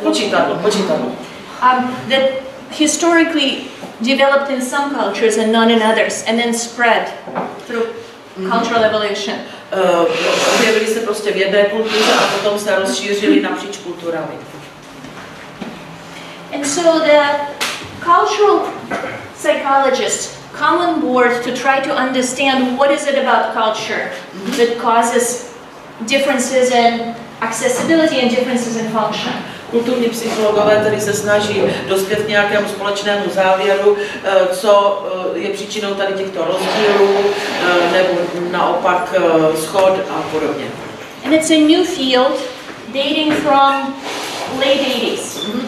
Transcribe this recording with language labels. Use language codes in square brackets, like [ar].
[en] That historically developed in some cultures and not in others, and then spread through cultural evolution. [cs] Objevily se prostě v jedné kultuře a potom se rozšířily napříč kulturami. [en] And so the cultural psychologists come on board to try to understand what is it about culture that causes differences in accessibility and differences in function. [cs] Kulturní psychologové tedy se snaží dospět k nějakému společnému závěru, co je příčinou tady těchto rozdílů, nebo naopak shod a podobně. [en] And it's a new field dating from late 80s.